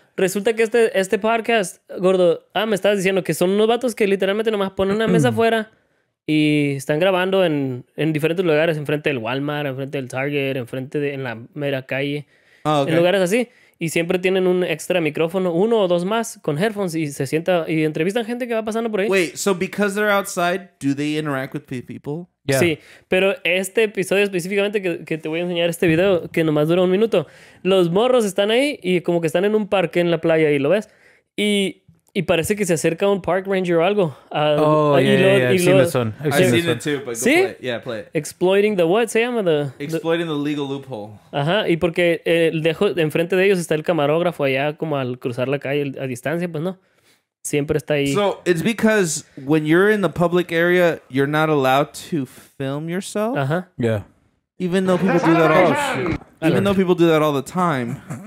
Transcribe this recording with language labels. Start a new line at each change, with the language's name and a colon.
Spanish: resulta que este podcast, gordo, me estás diciendo que son unos vatos que literalmente nomás ponen una mesa afuera y están grabando en diferentes lugares, enfrente del Walmart, enfrente del Target, enfrente de en la mera calle, en lugares así. Y siempre tienen un extra micrófono, uno o dos más, con headphones, y se sienta y entrevistan gente que va pasando por ahí.
English: Wait, so because they're outside, do they interact with people? Yeah.
Spanish: Sí, pero este episodio específicamente que te voy a enseñar este video, que nomás dura un minuto, los morros están ahí y como que están en un parque en la playa, y lo ves, y parece que se acerca un park ranger o algo.
English: I've seen it too, but play it. Exploiting the what
Spanish: se llama?
English: Exploiting the legal loophole.
Spanish: Ajá, y porque dejo, enfrente de ellos está el camarógrafo allá como al cruzar la calle a distancia, pues no. Siempre está ahí.
English: So, it's because when you're in the public area, you're not allowed to film yourself?
Spanish: Ajá.
English: Yeah. Even though people do that all the time.